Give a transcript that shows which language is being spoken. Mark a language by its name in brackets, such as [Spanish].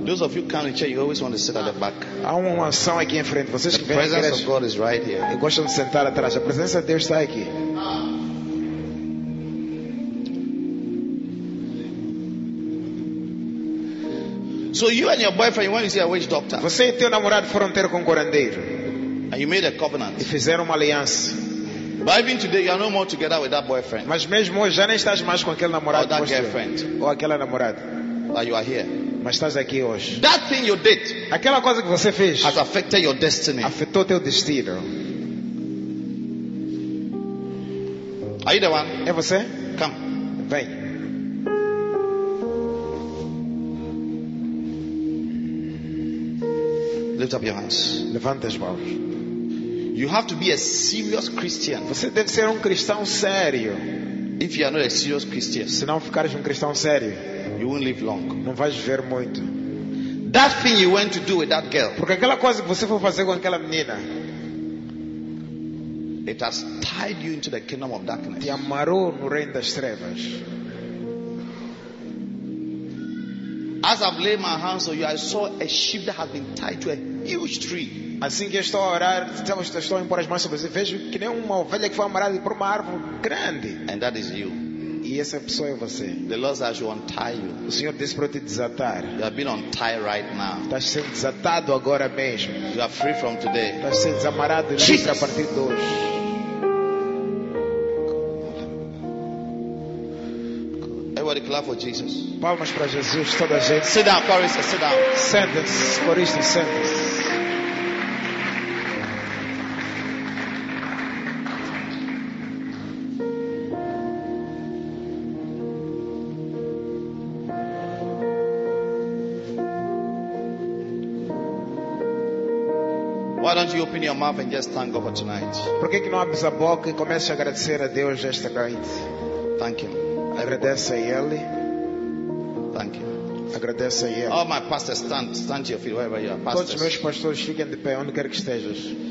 [English] Those of you come in church, you always want to sit at the back. [Portuguese] Há uma unção aqui em frente. Vocês [English] the presence of God is right here. [Portuguese] Eu gosto de sentar atrás. A presença de Deus está aqui. [English] So So you and your boyfriend, you went to see a witch doctor. [Portuguese] Você e teu namorado foram ter com curandeiro. [English] And you made a covenant. [Portuguese] E fizeram uma aliança. [English] But even today, you are no more together with that boyfriend. [Portuguese] Mas mesmo hoje já nem estás mais com aquele namorado. [English] Or that girlfriend. [Portuguese] Ou aquela namorada. [English] But you are here. [Portuguese] Mas estás aqui hoje. [English] That thing you did. [Portuguese] Aquela coisa que você fez. [English] Has affected your destiny. [Portuguese] Afetou teu destino. [English] Are you the one? [Portuguese] É você? [English] Come. [Portuguese] Vem. [English] Lift up your hands. [Portuguese] Levanta as mãos. [English] You have to be a serious Christian. [Portuguese] Você deve ser cristão sério. [English] If you are not a serious Christian, [Portuguese] se não ficares cristão sério, [English] you won't live long. [Portuguese] Não vais viver muito. [English] That thing you went to do with that girl. [Portuguese] Porque aquela coisa que você foi fazer com aquela menina. [English] It has tied you into the kingdom of darkness. [Portuguese] Te amarrou no reino das trevas. [English] As I've laid my hands on you, I saw a sheep that has been tied to a huge tree. [Portuguese] Assim que eu estou a orar, estou a impor as mãos sobre você, vejo que nem uma ovelha que foi amarrada por uma árvore grande. [English] And that is you. [Portuguese] E essa pessoa é você. [English] The Lord says to untie you. [Portuguese] O Senhor disse para te desatar. [English] You have been untied right now. [Portuguese] Estás sendo desatado agora mesmo. [English] You are free from today. [Portuguese] Estás sendo desamarrado livre a partir de hoje. [English] Everybody clap for Jesus. [Portuguese] Palmas para Jesus, toda a gente. [English] Sit down, Corista, sit down. [Portuguese] Sentence, Corista, sentence. [English] Why don't you open your mouth and just thank God for tonight? [Portuguese] Por que não abres a boca e começa a agradecer a Deus esta noite? [English] Thank you. [Portuguese] Agradece a Ele. [English] Thank you. [Portuguese] Agradece a Ele. [English] All my pastors, stand to your feet wherever you are. Pastors. [Portuguese] Todos meus pastores, fiquem de pé onde quer que estejas.